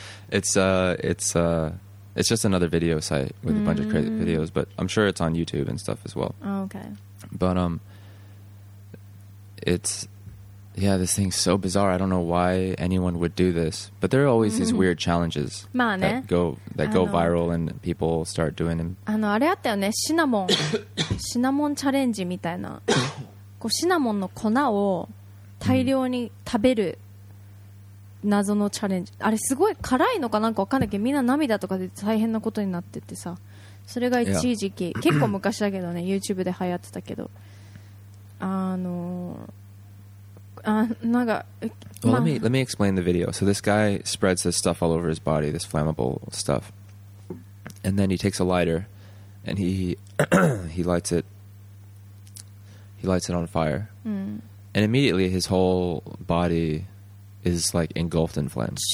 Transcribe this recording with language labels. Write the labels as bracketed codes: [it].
[en] it's just another video site with a bunch of crazy videos, but I'm sure it's on YouTube and stuff as well. Okay. But this thing's so bizarre. I don't know why anyone would do this, but there are always these weird challenges that go viral and people start doing them. [ja] あれあったよね。シナモンチャレンジみたいな。こうシナモンの粉を大量に食べる。謎のチャレンジ、あれすごい辛いのかなんか分かんないけど、みんな涙とかで大変なことになっててさ、それが一時期、結構昔だけどね、 YouTube で流行ってたけど、なんか、 [en] well, let me explain the video. So this guy spreads this stuff all over his body, this flammable stuff, and then he takes a lighter and he lights it on fire, and immediately his whole bodyis like engulfed in flames.